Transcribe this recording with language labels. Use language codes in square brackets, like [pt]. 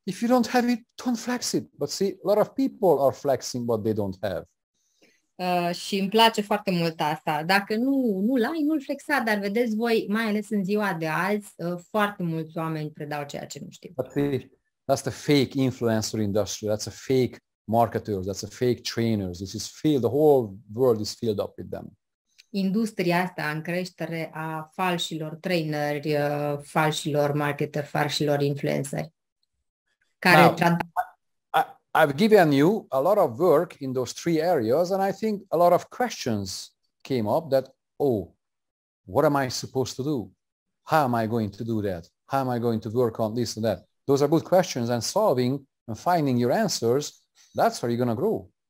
[en] If you don't have it, don't flex it. But see, a lot of people are flexing what they don't have. [ro] Și îmi place foarte mult asta. Dacă nu-l ai, nu-l flexa, dar vedeți voi, mai ales în ziua de azi, foarte mulți oameni predau ceea ce nu știu. [en] That's a fake influencer industry. That's a fake marketers, that's a fake trainers. This is filled, the whole world is filled up with them. [ro] Industria asta în creștere a falșilor traineri, falșilor marketer, falșilor influenceri. Care [en] I've given you a lot of work in those three areas, and I think a lot of questions came up that, oh, what am I supposed to do? How am I going to do that? How am I going to work on this and that? Those are good questions, and solving and finding your answers, that's where you're going to grow.